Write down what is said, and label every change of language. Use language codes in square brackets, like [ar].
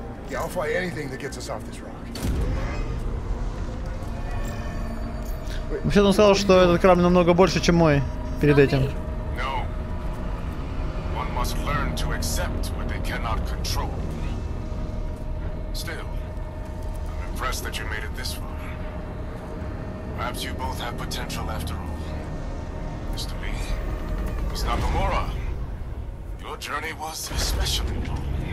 [en] Yeah, I'll fly anything that gets us off this rock. [ru] Вообще-то он сказал, что этот корабль намного больше, чем мой перед этим. [en] No. must learn to accept what they cannot control. Still, I'm impressed that you made it this far. Perhaps you both have potential after all. Mr. Lee, Ms. Nakamura, your journey was especially long.